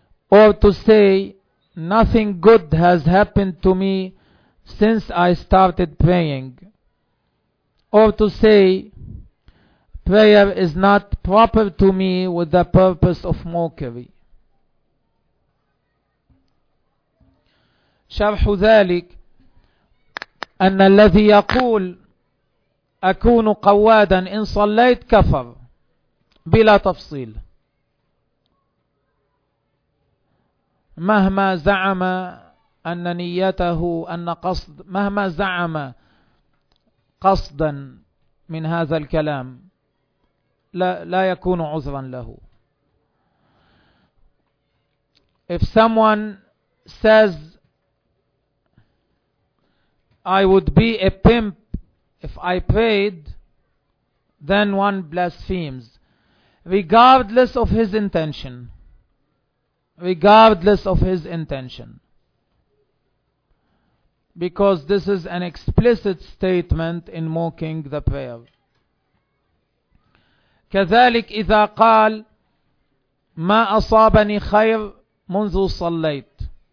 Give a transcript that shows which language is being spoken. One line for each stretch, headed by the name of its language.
English: or to say, nothing good has happened to me since I started praying, or to say, prayer is not proper to me with the purpose of mockery.
Arabic: شرح ذلك أن الذي يقول أكون قوادا إن صليت كفر بلا تفصيل. مهما زعم أن نيته أن قصد مهما زعم قصدا من هذا الكلام لا يكون عذرا له.
English: If someone says I would be a pimp if I prayed, then one blasphemes regardless of his intention. Regardless of his intention. Because this is an explicit statement in mocking the prayer.
Arabic: كذلك إذا قال ما أصابني خير منذ صليت.